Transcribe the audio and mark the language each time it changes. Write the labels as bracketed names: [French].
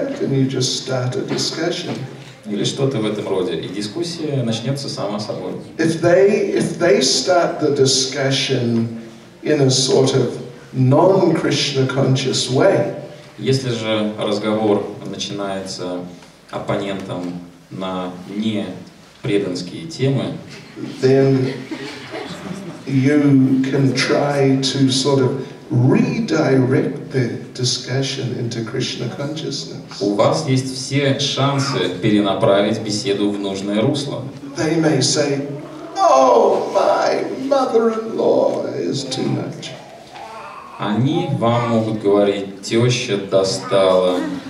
[Russian] Или что-то в этом роде. И дискуссия начнется сама собой. [English] If they start the discussion in a sort of non-Krishna conscious way. [Russian] Если же разговор начинается оппонентом на не преданские темы, [English] then you can try to sort of redirect the discussion into Krishna consciousness. [Russian] У вас есть все шансы перенаправить беседу в нужное русло. [English] They may say, "Oh, my mother-in-law is too much." [Russian] Они вам могут говорить: "Теща достала."